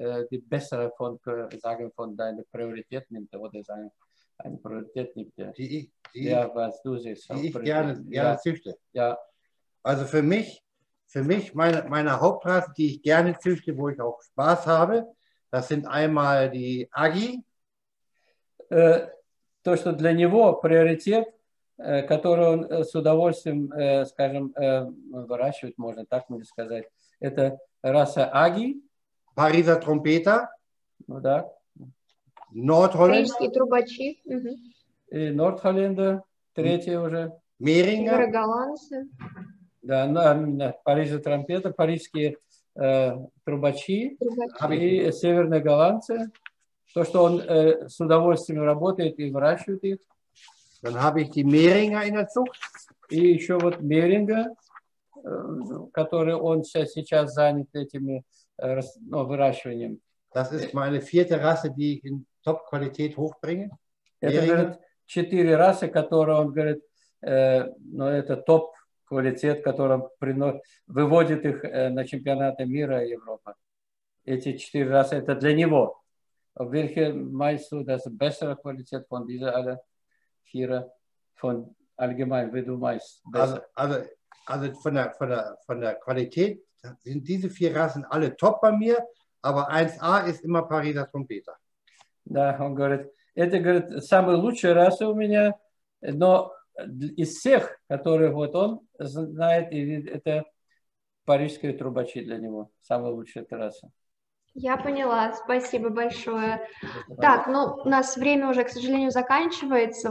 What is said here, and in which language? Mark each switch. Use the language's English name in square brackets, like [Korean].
[German] Die bessere von, sagen von deinen Prioritäten, oder sagen, eine Priorität nimmt, die was du siehst. Die ich gerne züchte. Ja. Also für mich meine Hauptrasse, die ich gerne züchte, wo ich auch Spaß habe, das sind einmal die Agi. [Russian] То, что для него приоритет, который он с удовольствием, скажем, выращивает, можно так мне сказать, это Rasse Agi, [German] Pariser Trompeter, [Russian] да. [German] Nordholländer, [Russian] mm-hmm. Nordholländer, третье уже, Мерингер, да, Pariser Trompeter, парижские трубачи, и северные голландцы, то, что он с удовольствием работает и выращивает их. [German] Dann habe ich die Мерингер in der Zucht. [Russian] И еще вот Мерингер, который он сейчас занят этим выращиванием. [German] Das ist meine vierte Rasse, die ich in Top-Qualität hochbringe. [Russian] Это, говорит, четыре расы, которые он говорит, но это топ-квалитет, который выводит их на чемпионаты мира и Европы. Эти четыре расы, это для него. [German] Welche meinst du, das bessere Qualität von dieser aller Tiere, von allgemein, wie du meinst? Also von der Qualität sind diese vier Rassen alle top bei mir, aber 1A ist immer Pariser Trompeter. [Russian] Да, он говорит, это, говорит, самая лучшая раса у меня, но из всех, которые вот он знает, это парижские трубачи для него, самая лучшая раса. Я поняла, спасибо большое. Так, ну, у нас время уже, к сожалению, заканчивается.